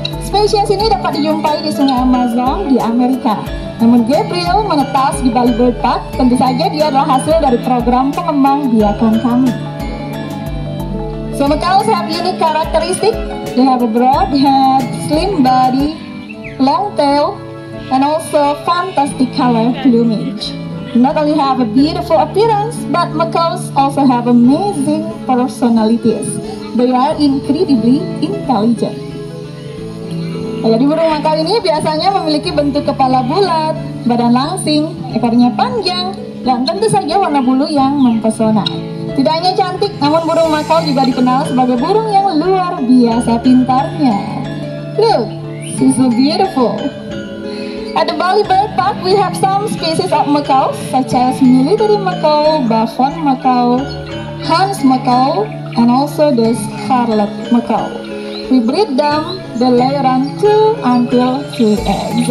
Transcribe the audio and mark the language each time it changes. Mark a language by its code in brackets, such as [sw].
[id] Spesies ini dapat dijumpai di sungai Amazon di Amerika. Namun Gabriel menetas di Bali Bird Park. Tentu saja dia adalah hasil dari program pengembang biakan kami. So makau sayap ini karakteristik. [en] They have a broad head, slim body, long tail, and also fantastic color plumage. Not only have a beautiful appearance, but macaws also have amazing personalities. They are incredibly intelligent. [id] Nah, jadi burung makaw ini biasanya memiliki bentuk kepala bulat, badan langsing, ekornya panjang, dan tentu saja warna bulu yang mempesona. Tidak hanya cantik, namun burung makaw juga dikenal sebagai burung yang luar biasa pintarnya. [en] Look, she's so beautiful. At the Bali Bird Park, we have some species of macaw, such as military macaw, bafon macaw, hans macaw, and also the scarlet macaw. We breed them, the lay around 2 until 3 eggs.